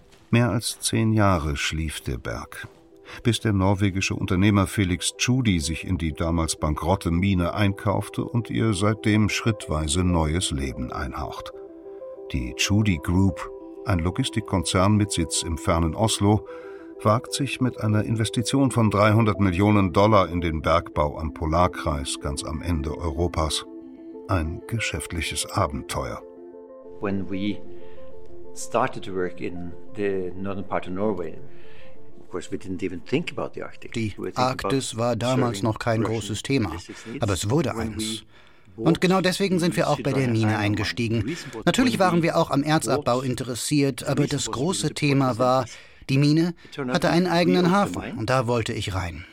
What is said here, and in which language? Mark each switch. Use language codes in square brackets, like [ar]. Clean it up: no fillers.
[de] Mehr als 10 Jahre schlief der Berg, bis der norwegische Unternehmer Felix Tschudi sich in die damals bankrotte Mine einkaufte und ihr seitdem schrittweise neues Leben einhaucht. Die Tschudi Group, ein Logistikkonzern mit Sitz im fernen Oslo, wagt sich mit einer Investition von $300 Millionen in den Bergbau am Polarkreis ganz am Ende Europas. Ein geschäftliches Abenteuer. [en] When we started to work in the northern part of Norway, [de] die Arktis war damals noch kein großes Thema, aber es wurde eins. Und genau deswegen sind wir auch bei der Mine eingestiegen. Natürlich waren wir auch am Erzabbau interessiert, aber das große Thema war, die Mine hatte einen eigenen Hafen und da wollte ich rein.